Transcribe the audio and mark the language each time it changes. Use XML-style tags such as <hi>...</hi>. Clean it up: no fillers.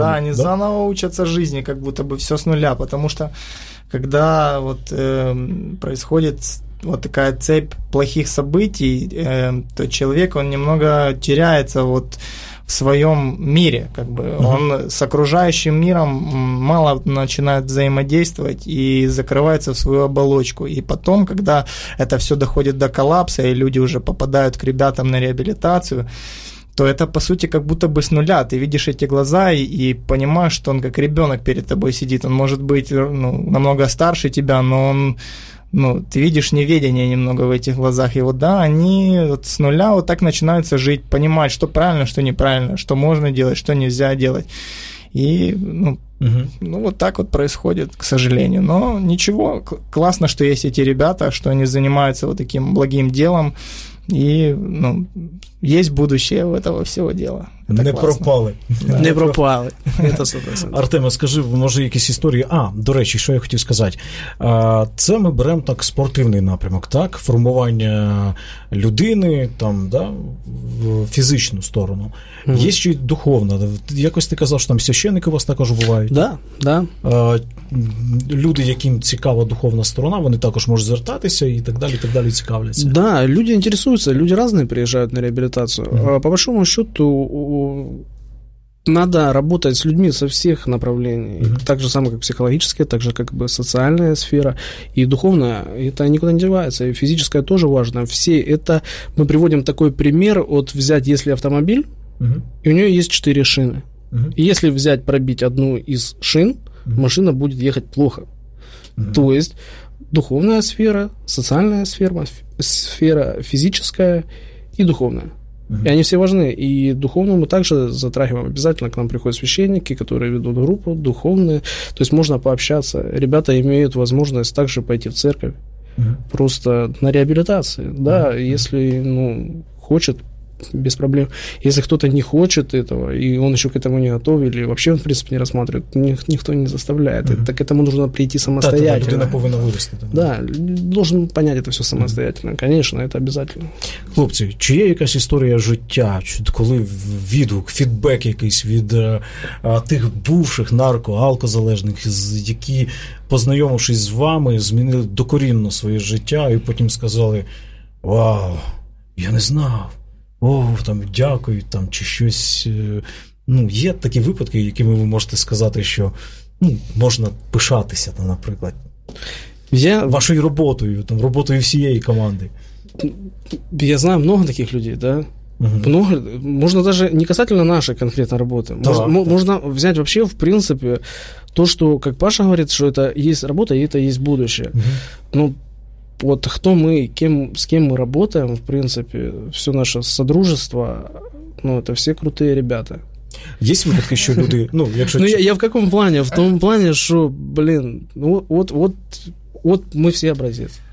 <uk>Да, вони заново вчаться житті, як будто би все з нуля, тому що, коли от відбувається от така</uk> <ru>цепь плохих событий,</ru> <uk>то чоловік, він немного теряється от в своем мире, как бы, uh-huh.</uk> <ru>он с окружающим миром мало начинает взаимодействовать и закрывается в свою оболочку. И потом, когда это все доходит до коллапса, и люди уже попадают к ребятам на реабилитацию, то это, по сути, как будто бы с нуля. Ты видишь эти глаза и понимаешь, что он как ребенок перед тобой сидит. Он может быть ну, намного старше тебя, но он... Ну, ты видишь неведение немного в этих глазах. И вот, да, они вот с нуля вот так начинаются жить, понимать, что правильно, что неправильно, что можно делать, что нельзя делать. И, ну, угу. ну вот так вот происходит, к сожалению. Но ничего, классно, что есть эти ребята, что они занимаются вот таким благим делом.</ru> <uk>І ну, є будущее в цього всього діла. Не пропали. Не пропали. Це 100%. Артема, скажи, може, якісь історії. А, до речі, що я хотів сказати. Це ми беремо так спортивний напрямок, так? Формування людини, там, да? в фізичну сторону. Mm-hmm. Є ще й духовна. Якось ти казав, що там священики у вас також бувають.</uk> <ru>Да, да.</ru> <uk>Люди, яким цікава духовна сторона, вони також можуть звертатися і так далі цікавляться. Да, люди інтересуються, люди різні приїжджають на реабілітацію. Mm-hmm.</uk> <ru>По большому счету, надо работать с людьми со всех направлений. Uh-huh. Так же самое, как психологическая, так же, как бы социальная сфера и духовная. Это никуда не девается. И физическое тоже важно. Все это... Мы приводим такой пример. Вот взять, если автомобиль, uh-huh. и у нее есть 4 шины. Uh-huh. И если взять, пробить одну из шин, uh-huh. машина будет ехать плохо. Uh-huh. То есть духовная сфера, социальная сфера, сфера физическая и духовная. Uh-huh. И они все важны. И духовно мы также затрагиваем. Обязательно к нам приходят священники, которые ведут группу духовные. То есть можно пообщаться. Ребята имеют возможность также пойти в церковь. Uh-huh. Просто на реабилитации. Да, uh-huh. если ну, хочет, без проблем. Если кто-то не хочет этого, и он еще к этому не готов, или вообще, в принципе, не рассматривает, никто не заставляет. Uh-huh. Так к этому нужно прийти самостоятельно.</ru> <uk>Да, людина повинна вирости.</uk> <ru>Да, должен понять это все самостоятельно. Uh-huh. Конечно, это обязательно.</ru> <uk>Хлопці, чи є якась історія життя, коли відгук, фідбек якийсь від тих бувших нарко-алкозалежних, які, познайомившись з вами, змінили докорінно своє життя і потім сказали, вау, я не знав. О, там, дякую, там, чи щось. Ну, є такі випадки, якими ви можете сказати, що ну, можна пишатися, там, наприклад, вашою роботою, там, роботою всієї команди.</uk> <ru>Я знаю много таких людей, да? Угу.</ru> <uk>Много, можна навіть не касательно нашої конкретної роботи, так, можна взяти взагалі, в принципі, то, що, як Паша говорить, що це є робота і це є будущее. Угу.</uk> <ru>Ну, вот кто мы, кем, с кем мы работаем, в принципе, все наше содружество, ну, это все крутые ребята. Есть выходки еще люди? Ну, якщо... ну я в каком плане? В том плане, что, блин, вот мы все образец.</ru>